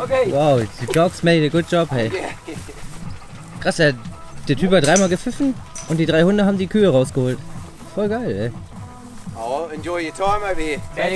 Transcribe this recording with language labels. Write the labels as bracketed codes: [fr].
[en] Wow, die Dogs made a good job, hey. [de] Krass, der Typ hat dreimal gepfiffen und die drei Hunde haben die Kühe rausgeholt. Voll geil, ey. [en] Oh, enjoy your time over here.